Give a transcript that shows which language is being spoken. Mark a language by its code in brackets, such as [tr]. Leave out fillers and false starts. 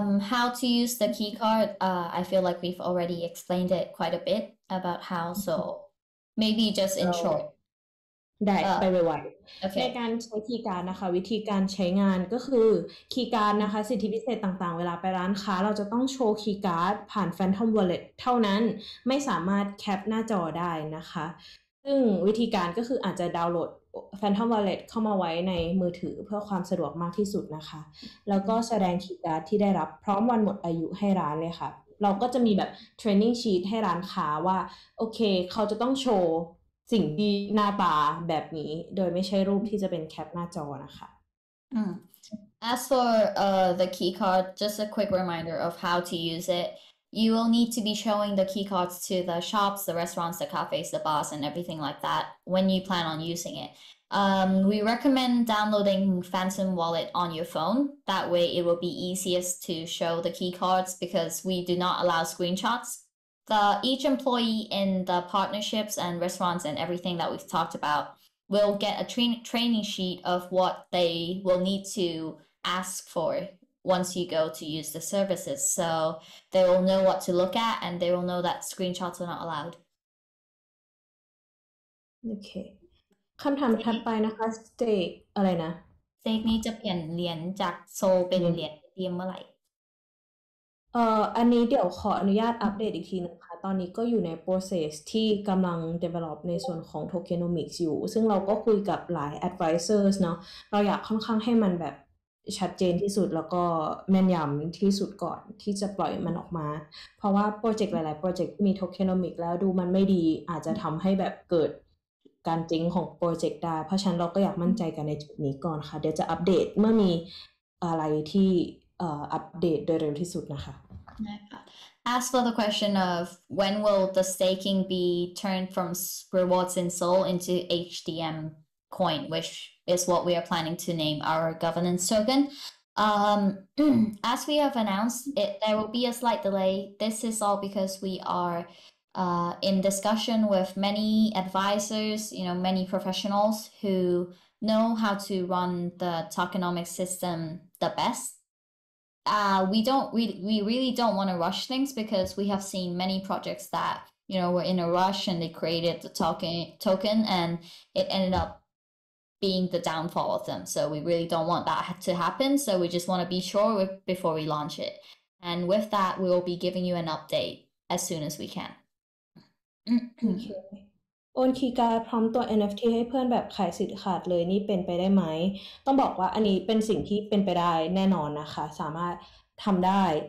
[en] How to use the key card I feel like we've already explained it quite a bit about how so maybe just in short [th] ได้ไปไวๆ [en] okay. [th] ในการใช้คีย์การ์ดนะคะวิธีการใช้งานก็คือคีย์การ์ดนะคะสิทธิพิเศษต่างๆเวลาไปร้านค้าเราจะต้องโชว์คีย์การ์ดผ่าน Phantom Wallet เท่านั้นไม่สามารถแคปหน้าจอได้นะคะ ซึ่งวิธีการก็คืออาจจะดาวน์โหลด Phantom Wallet เข้ามาไว้ในมือถือเพื่อความสะดวกมากที่สุดนะคะแล้วก็แสดงคีย์การ์ดที่ได้รับพร้อมวันหมดอายุให้ร้านเลยค่ะเราก็จะมีแบบ training sheet ให้ร้านค้าว่าโอเคเขาจะต้องโชว์สิ่งดีหน้าตาแบบนี้โดยไม่ใช่รูปที่จะเป็นแคปหน้าจอนะคะ [en] As for the key card just a quick reminder of how to use itYou will need to be showing the key cards to the shops, the restaurants, the cafes, the bars, and everything like that when you plan on using it. We recommend downloading Phantom Wallet on your phone. That way it will be easiest to show the key cards because we do not allow screenshots. Each employee in the partnerships and restaurants and everything that we've talked about will get a training sheet of what they will need to ask for. Once you go to use the services, so they will know what to look at, and they will know that screenshots are not allowed. Okay. [th] คำถามถัดไปนะคะ stake อะไรนะ stake นี้จะเปลี่ยนเหรียญจาก soul เป็นเหรียญเทียมเมื่อไหร่อันนี้เดี๋ยวขออนุญาตอัปเดตอีกทีนึงค่ะตอนนี้ก็อยู่ใน process ที่กำลัง develop ในส่วนของ tokenomics อยู่ซึ่งเราก็คุยกับหลาย advisors เนาะเราอยากค่อนข้างให้มันแบบชัดเจนที่สุดแล้วก็แม่นยำที่สุดก่อนที่จะปล่อยมันออกมาเพราะว่าโปรเจกต์หลายๆโปรเจกต์มีโทเคโนมิกแล้วดูมันไม่ดีอาจจะทำให้แบบเกิด การจริงของโปรเจกต์ได้เพราะฉะนั้นเราก็อยากมั่นใจกันในจุดนี้ก่อนค่ะเดี๋ยวจะอัปเดตเมื่อมีอะไรที่อัปเดตโดยเร็วที่สุดนะคะ [en] As for the question of when will the staking be turned from rewards in soul into HDM coin whichis what we are planning to name our governance token. As we have announced, there will be a slight delay. This is all because we are in discussion with many advisors, you know, many professionals who know how to run the tokenomics system the best. We really don't want to rush things because we have seen many projects that, you know, were in a rush and they created the token and it ended up being the downfall of them. So we really don't want that to happen. So we just want to be sure before we launch it. And with that, we will be giving you an update as soon as we can. [th] โอนคีการ์ดพร้อมตัว NFT ให้เพื่อนแบบขายสิทธิ์ขาดเลยนี่เป็นไปได้ไหมต้องบอกว่าอันนี้เป็นสิ่งที่เป็นไปได้แน่นอนนะคะสามารถทำได้